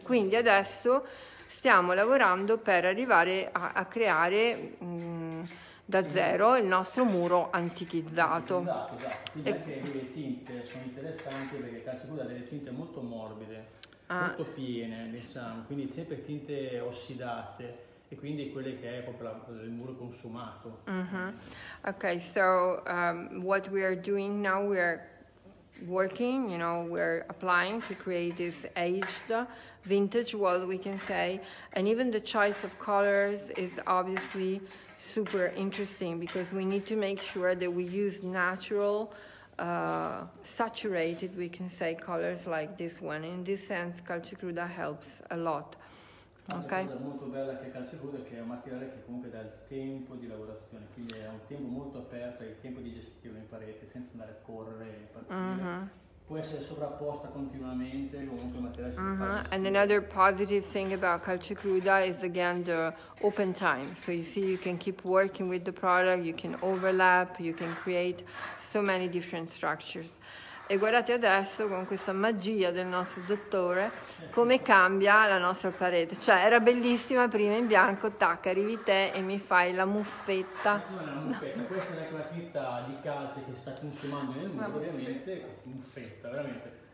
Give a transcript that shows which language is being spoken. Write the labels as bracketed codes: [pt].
[it] Quindi adesso stiamo lavorando per arrivare a creare da zero il nostro muro antichizzato. Esatto. Quindi anche le tinte sono interessanti, perché calce cruda ha delle tinte molto morbide. Molto piene, diciamo, quindi sempre tinte ossidate e quindi quelle che è proprio il muro consumato. Mm-hmm. [en] Okay, so what we are doing now, we are working, you know, we're applying to create this aged vintage wall, we can say, and even the choice of colors is obviously super interesting because we need to make sure that we use natural saturated, we can say, colors like this one. In this sense, calce cruda helps a lot. Okay. [it] Una cosa molto bella che calce cruda, che è un materiale che comunque dà il tempo di lavorazione, quindi è un tempo molto aperto, è il tempo digestivo in parete, senza andare a correre, impazzire. Mm-hmm. Può essere sovrapposta continuamente, comunque il materiale si fa. [en] And another positive thing about calce cruda is again the open time. So you see, you can keep working with the product, you can overlap, you can create so many different structures. [it] E guardate adesso con questa magia del nostro dottore come cambia la nostra parete. Cioè, era bellissima prima in bianco, tac, arrivi te e mi fai la muffetta. Non è una muffetta, questa è la tinta di calce che sta consumando nel muro, ovviamente, muffetta, veramente.